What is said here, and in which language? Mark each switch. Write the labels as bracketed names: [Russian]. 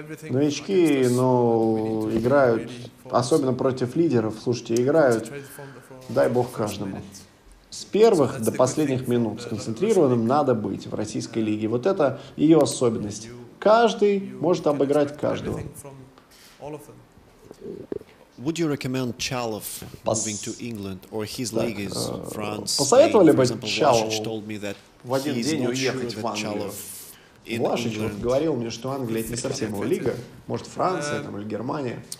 [Russian] Новички, но играют, особенно против лидеров, слушайте, играют, дай бог каждому. С первых до последних минут сконцентрированным надо быть в российской лиге. Вот это ее особенность. Каждый может обыграть каждого. [English] Would you recommend Chalov moving to England or his league is France? [Russian] Посоветовали бы Чалов в один день уехать в Англию? Влашич вот говорил мне, что Англия — это не совсем его лига. Может, Франция там, или Германия.